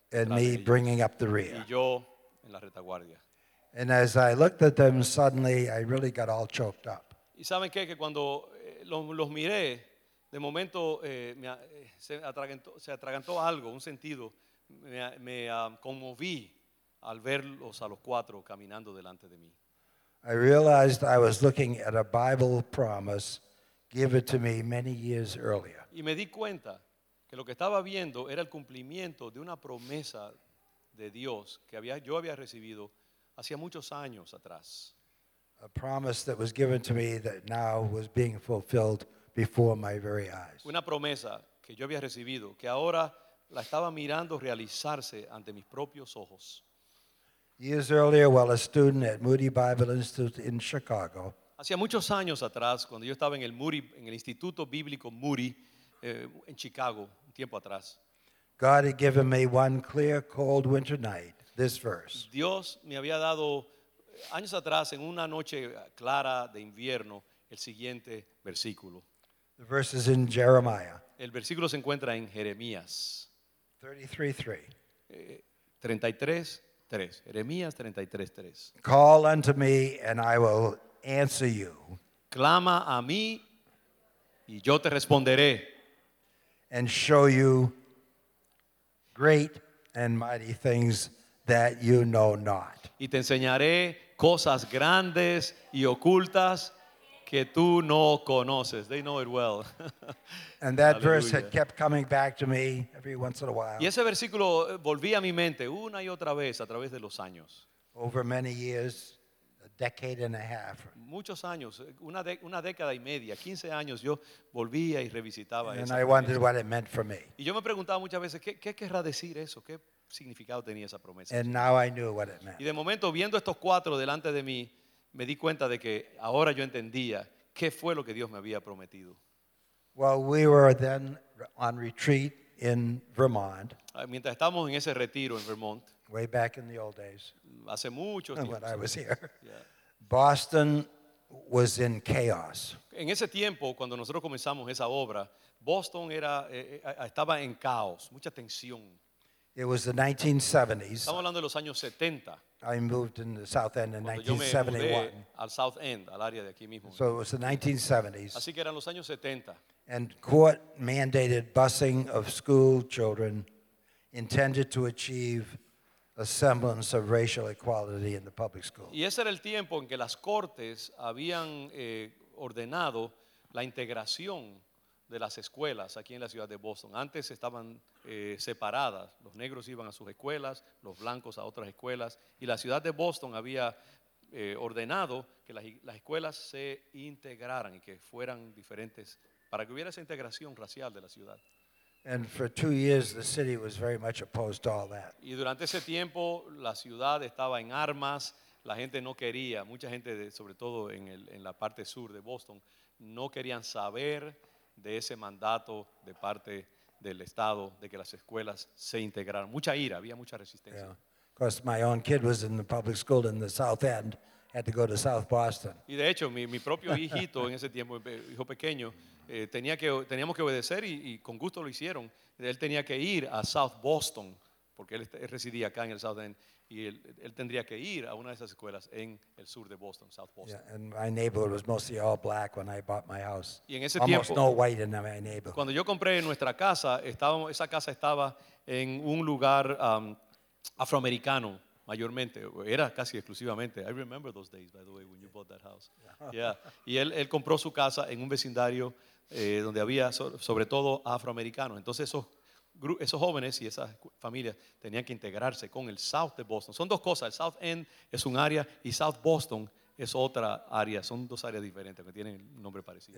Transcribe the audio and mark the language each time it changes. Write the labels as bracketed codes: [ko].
[en] And me bringing up the rear. [es] Y yo en la retaguardia. [en] And as I looked at them, suddenly I really got all choked up. [es] Y saben qué, que cuando los miré, de momento se atragantó algo, un sentido. Me conmoví al verlos a los cuatro caminando delante de mí. [en] I realized I was looking at a Bible promise given to me many years earlier. [es] Y me di cuenta que lo que estaba viendo era el cumplimiento de una promesa de Dios que yo había recibido hacía muchos años atrás. [en] A promise that was given to me that now was being fulfilled before my very eyes. [es] Una promesa que yo había recibido que ahora la estaba mirando realizarse ante mis propios ojos. [en] Years earlier, while a student at Moody Bible Institute in Chicago, [es] hacía muchos años atrás, cuando yo estaba en el Moody, en el Instituto Bíblico Moody, en Chicago, un tiempo atrás, [en] God had given me one clear, cold winter night, this verse. [es] Dios me había dado, años atrás, en una noche clara de invierno, el siguiente versículo. [en] The verse is in Jeremiah. [es] El versículo se encuentra en Jeremías. [en] 33:3. [es] Jeremías 33:3. [en] Call unto me and I will answer you. [es] clama a mí y yo te responderé. [en] And show you great and mighty things that you know not. [es] Y te enseñaré cosas grandes y ocultas que tú no conoces. [en] They know it well. And that Hallelujah. Verse had kept coming back to me every once in a while. [es] Y ese versículo volvía a mi mente una y otra vez a través de los años. [en] Over many years, a decade and a half. [es] Muchos años, una década y media, 15 años, yo volvía y revisitaba eso. [en] And I wondered what it meant for me. [es] Y yo me preguntaba muchas veces, ¿qué querrá decir eso? ¿Qué significado tenía esa promesa? [en] And now I knew what it meant. [es] Y de momento, viendo estos cuatro delante de mí, me di cuenta de que ahora yo entendía qué fue lo que Dios me había prometido. [en] Well, we were then on retreat in Vermont. [es] Mientras estábamos en ese retiro en Vermont. [en] Way back in the old days. [es] Hace mucho tiempo. [en] When I was here. Boston was in chaos. [es] En ese tiempo, cuando nosotros comenzamos esa obra, Boston era estaba en caos, mucha tensión. [en] It was the 1970s. [es] Estamos hablando de los años 70. [en] I moved in the South End in 1971. [es] Al South End, al área de aquí mismo. [en] So it was the 1970s. [es] Así que eran los años 70. [en] And court mandated busing of school children intended to achieve a semblance of racial equality in the public school. [es] Y ese era el tiempo en que las cortes habían ordenado la integración de las escuelas aquí en la ciudad de Boston. Antes estaban separadas. Los negros iban a sus escuelas, los blancos a otras escuelas. Y la ciudad de Boston había ordenado que las escuelas se integraran y que fueran diferentes para que hubiera esa integración racial de la ciudad. [en] And for 2 years, the city was very much opposed to all that. [es] Y durante ese tiempo, la ciudad estaba en armas. La gente no quería, mucha gente, sobre todo en la parte sur de Boston, no querían saber de ese mandato de parte del Estado de que las escuelas se integraran. Mucha ira, había mucha resistencia. [en] Yeah. Of course, my own kid was in the public school in the South End, had to go to South Boston. [es] Y de hecho, mi propio hijito en ese tiempo, hijo pequeño, teníamos que obedecer y con gusto lo hicieron. Él tenía que ir a South Boston, porque él residía acá en el South End, y él tendría que ir a una de esas escuelas en el sur de Boston, South Boston. [en] Yeah, and my neighborhood was mostly all black when I bought my house. [es] Y en ese [en] Almost [es] tiempo, [en] no white in my neighborhood. [es] Cuando yo compré nuestra casa, esa casa estaba en un lugar afroamericano, mayormente, era casi exclusivamente. [en] I remember those days, by the way, when you bought that house. Yeah. [es] Y él compró su casa en un vecindario donde había sobre todo afroamericanos. Entonces esos jóvenes y esas familias tenían que integrarse con el South de Boston. Son dos cosas, el South End es un área y South Boston es otra área. Son dos áreas diferentes que tienen nombre parecido.